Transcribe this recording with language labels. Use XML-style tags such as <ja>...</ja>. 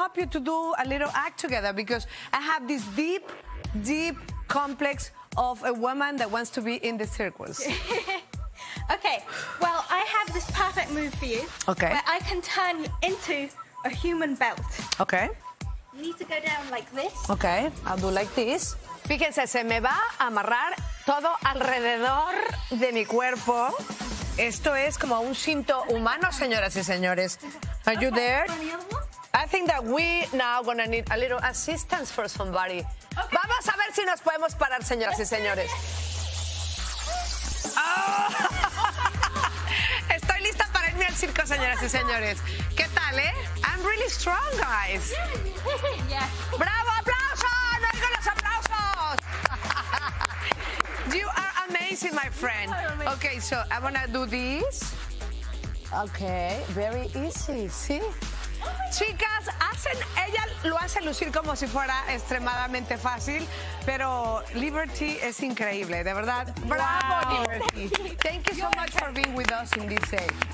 <en>To do a little act together, because I have this deep, deep complex of a woman that wants to be in the circles. Okay, well, I have this perfect move for you. Okay. Where I can turn you into a human belt. Okay. You need to go down like this. Okay, I'll do like this.</en> <es>Fíjense, se me va a amarrar todo alrededor de mi cuerpo. Esto es como un cinto humano, señoras y señores.</es> <en>Are you there? I think that we now gonna need a little assistance for somebody. Okay.</en> <es>Vamos a ver si nos podemos parar, señoras y señores. Oh. Estoy lista para irme al circo, señoras y señores. ¿Qué tal, eh?</es> <en>I'm really strong, guys.</en> <es>¡Bravo, aplauso! ¡No digo los aplausos!</es> <en>You are amazing, my friend. Okay, so I'm gonna do this. Okay, very easy, ¿sí?</en> <es>Chicas, ella lo hace lucir como si fuera extremadamente fácil, pero Liberty es increíble, de verdad. Bravo,</es> <en>wow. Liberty. Thank you so much for being with us in this day.</en>